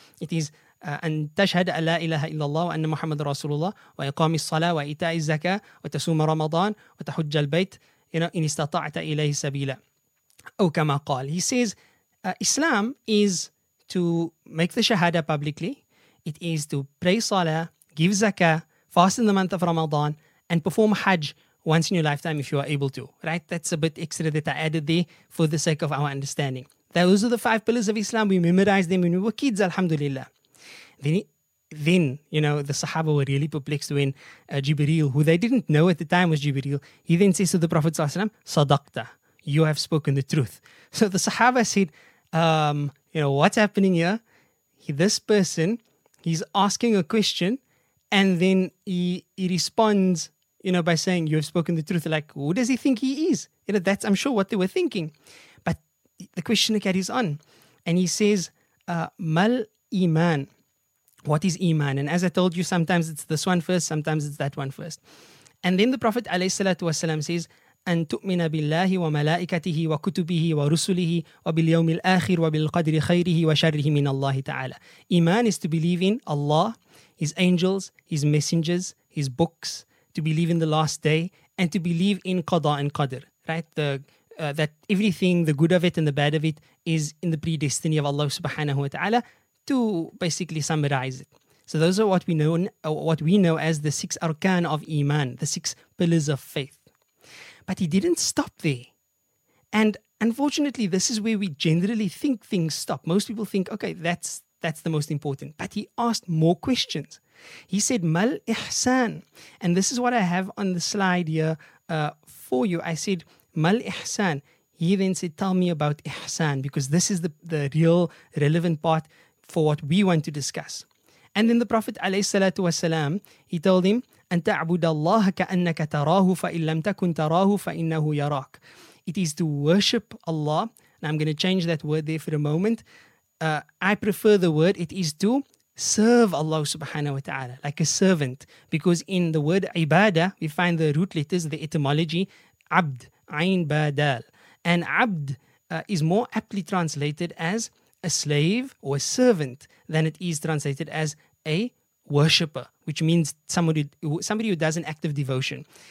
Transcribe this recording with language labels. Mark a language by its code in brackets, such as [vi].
[en] It is, [ar] "أن تشهد أن لا إله إلا الله وأن محمد رسول الله وإقام الصلاة وإيتاء الزكاة وتصوم رمضان وتحج البيت إن استطعت إليه سبيلا." Oh, كما قال. [en] He says, Islam is to make the shahada publicly. It is to pray salah, give zakah, fast in the month of Ramadan, and perform hajj once in your lifetime if you are able to. Right? That's a bit extra that I added there for the sake of our understanding. Those are the five pillars of Islam. We memorized them when we were kids, alhamdulillah. Then, you know, the Sahaba were really perplexed when Jibreel, who they didn't know at the time was Jibreel, he then says to the Prophet ﷺ, [ar] "Sadaqta. [en] You have spoken the truth." So the Sahaba said, what's happening here? This person, he's asking a question and then he responds, by saying, "You have spoken the truth." Like, who does he think he is? That's, I'm sure, what they were thinking. But the questioner carries on and he says, [ar] "Mal iman?" [en] What is iman? And as I told you, sometimes it's this one first, sometimes it's that one first. And then the Prophet ﷺ says, [ar] "أن تؤمن بالله وملائكته وكتبه ورسله وباليوم الآخر وبالقدر خيره وشره من الله تعالى." [en] Iman is to believe in Allah, His angels, His messengers, His books, to believe in the last day, and to believe in qada and qadr, right? That everything, the good of it and the bad of it, is in the predestiny of Allah subhanahu wa ta'ala, to basically summarize it. So those are what we know as the six arkan of iman, the six pillars of faith. But he didn't stop there. And unfortunately, this is where we generally think things stop. Most people think, okay, that's the most important. But he asked more questions. He said, [ar] "Mal ihsan?" [en] And this is what I have on the slide here for you. I said, [ar] "Mal ihsan?" [en] He then said, "Tell me about ihsan," because this is the real relevant part for what we want to discuss. And then the Prophet alayhi salatu wasalam, he told him, [ar] "أن تعبد الله كأنك تراه فإن لم تكن تراه فإنه يراك." [en] It is to worship Allah. And I'm going to change that word there for a moment. I prefer the word, it is to serve Allah subhanahu wa ta'ala, like a servant. Because in the word ibadah, we find the root letters, the etymology, abd, ayn badal. And abd is more aptly translated as a slave or a servant than it is translated as a worshipper, which means somebody who does an act of devotion.